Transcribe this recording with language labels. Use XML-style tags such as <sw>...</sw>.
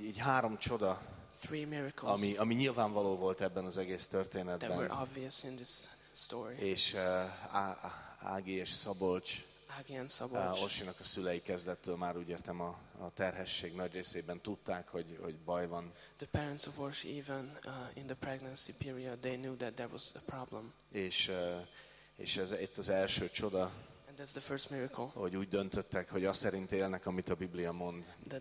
<hu>Így három csoda, ami nyilvánvaló volt ebben az egész történetben.</hu> <en>That were obvious in this story.</en> <hu>És Ági és Szabolcs, Orsinak a szülei kezdettől már úgy értem a terhesség nagy részében tudták, hogy baj van.</hu> <en>The parents of Orsi even in the pregnancy period they knew that there was a problem.</en> <hu>És ez itt az első csoda, hogy úgy döntöttek, hogy az szerint élnek, amit a Biblia mond.</hu>